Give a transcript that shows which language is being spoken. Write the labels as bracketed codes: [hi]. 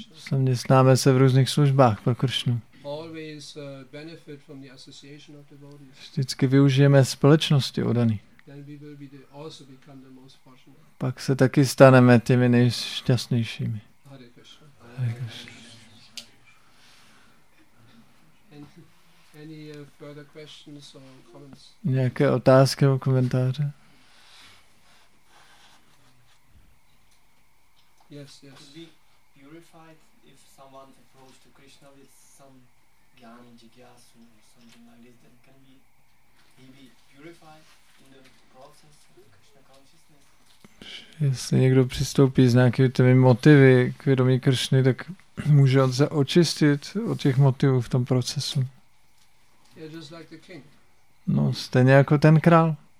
[cs] Zaměstnáme se v různých službách pro Kršnu. [en] always benefit from the association of devotees. [cs] Vždycky využijeme společnosti oddaný. [en] Then we will be the, also become the most fortunate. [cs] Pak se taky staneme těmi nejšťastnějšími. [sa] Hare Krishna. Hare Krishna. [en] Any further questions or comments? [cs] Nějaké otázky nebo komentáře? [en] Yes, yes. Could be purified if someone approached to Krishna with some jnani jigyasu or something like this, then can be he be purified in the process of Krishna consciousness? [cs] Jestli někdo přistoupí s nějakými těmi motivy k vědomí Kršny, tak může on se očistit od těch motivů v tom procesu. No, stejně jako ten král.